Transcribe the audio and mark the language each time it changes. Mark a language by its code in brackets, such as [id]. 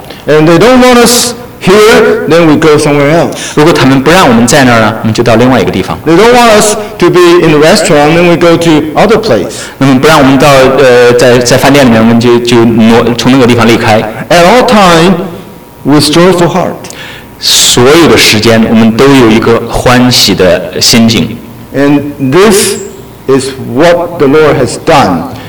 [en] And they don't want us here, then we go somewhere else. [zh] 如果他们不让我们在那儿呢，我们就到另外一个地方。 [en] They don't want us to be in the restaurant, then we go to other place. [zh] 那么不让我们到在饭店里面，我们就挪从那个地方离开。 [en] At all time, with joyful heart. [zh] 所有的时间，我们都有一个欢喜的心境。 [en] And this is what the Lord has done.